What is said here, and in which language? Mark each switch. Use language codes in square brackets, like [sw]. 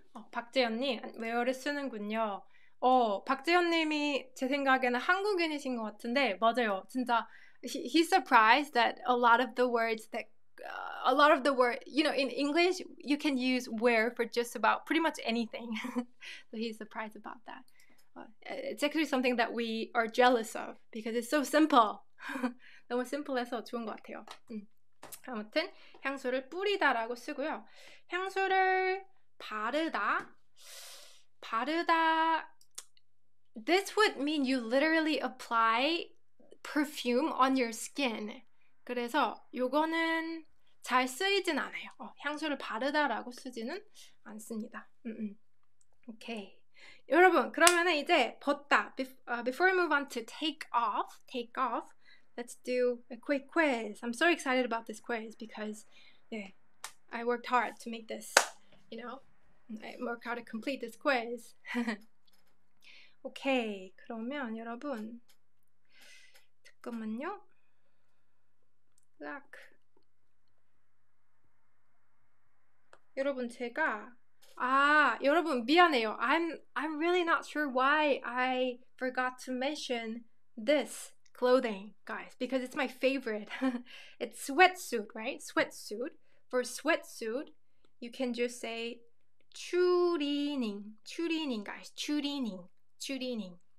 [ko] 박재현님, 웨어를 쓰는군요. 박재현님이 제 생각에는 한국인이신 것 같은데 맞아요. 진짜 [en] He's surprised that a lot of the words that a lot of the word, you know, in English, you can use wear for just about pretty much anything. So he's surprised about that. It's actually something that we are jealous of because it's so simple. [ko] 너무 심플해서 좋은 것 같아요. 아무튼 향수를 뿌리다라고 쓰고요. 향수를 바르다. 바르다. [en] This would mean you literally apply perfume on your skin. [ko] 그래서 요거는 잘 쓰이진 않아요. 향수를 바르다라고 쓰지는 않습니다. 오케이. 여러분, 그러면은 이제 벗다. [en] Before we move on to take off, let's do a quick quiz. I'm so excited about this quiz because I worked hard to make this, you know, I worked hard to complete this quiz. [ko] 오케이. 그러면 여러분 잠깐만요. 락. 여러분 제가 여러분 미안해요. [en] I'm really not sure why I forgot to mention this clothing, guys, because it's my favorite. It's sweatsuit, right? Sweatsuit. For sweatsuit, you can just say 추리닝. 추리닝, guys. 추리닝. 추리닝.